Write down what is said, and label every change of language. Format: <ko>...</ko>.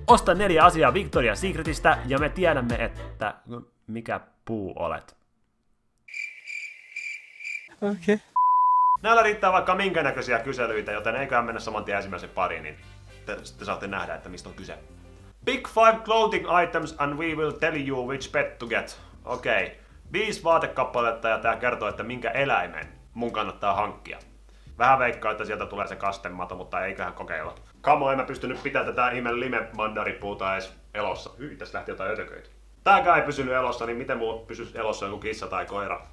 <fi>Osta 4 asiaa Victoria's Secretistä ja me tiedämme, että mikä puu olet. Okei. Näillä riittää vaikka minkä näköisiä kyselyitä, joten eiköhän mennä saman tien ensimmäisen pariin, niin te saatte nähdä, että mistä on kyse.</fi> <en>Pick 5 clothing items and we will tell you which pet to get.</en> <fi>Okei, 5 vaatekappaletta ja tää kertoo, että minkä eläimen mun kannattaa hankkia. Vähän veikkaa, että sieltä tulee se kastemato, mutta eiköhän kokeilla. Kamo, en mä pystynyt pitää tätä ihme lime-mandaripuuta edes elossa. Hyi, tässä lähti jotain ötököitä. Tääkään ei pysynyt elossa, niin miten muu pysyis elossa joku kissa tai koira?</fi>